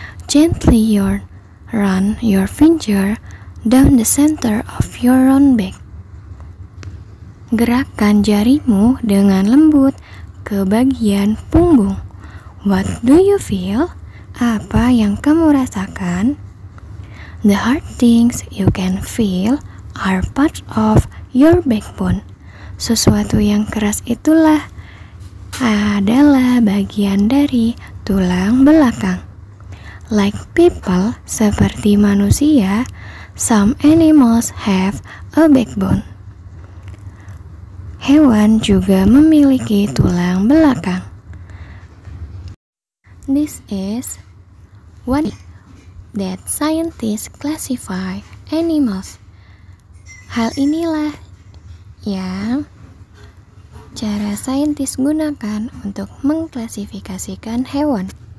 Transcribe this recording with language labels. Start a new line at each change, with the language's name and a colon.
English: Gently run your finger down the center of your round back.
Indonesian: Gerakkan jarimu dengan lembut ke bagian punggung.
English: What do you feel?
Indonesian: Apa yang kamu rasakan?
English: The hard things you can feel are part of your backbone.
Indonesian: Sesuatu yang keras itulah adalah bagian dari tulang belakang.
English: Like people,
Indonesian: seperti manusia,
English: some animals have a backbone.
Indonesian: Hewan juga memiliki tulang belakang.
English: This is one that scientists classify animals.
Indonesian: Hal inilah yang cara saintis gunakan untuk mengklasifikasikan hewan.